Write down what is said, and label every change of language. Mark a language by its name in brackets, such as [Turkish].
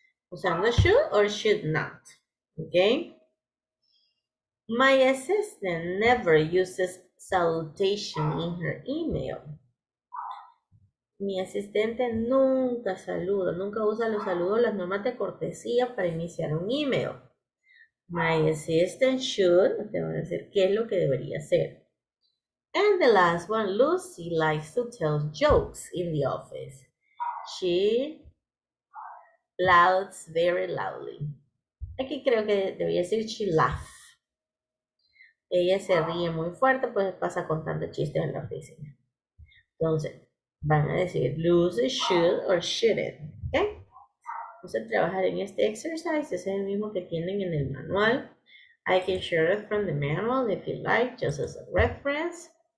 [English] Usando should or should not. Okay. My assistant never uses salutation in her email. [Spanish] Mi asistente nunca saluda, nunca usa los saludos, las normas de cortesía para iniciar un email. [English] My assistant should, [Spanish] te voy a decir qué es lo que debería hacer. [English] And the last one, Lucy likes to tell jokes in the office. She laughs very loudly. [Spanish] Aquí creo que debería decir [English] she laughs. [Spanish] Ella se ríe muy fuerte, pues pasa contando chistes en la oficina. Entonces, van a decir [English] Lucy should or shouldn't, [Spanish] ¿ok? Vamos a trabajar en este exercise, es el mismo que tienen en el manual. [English] I can share it from the manual if you like, just as a reference.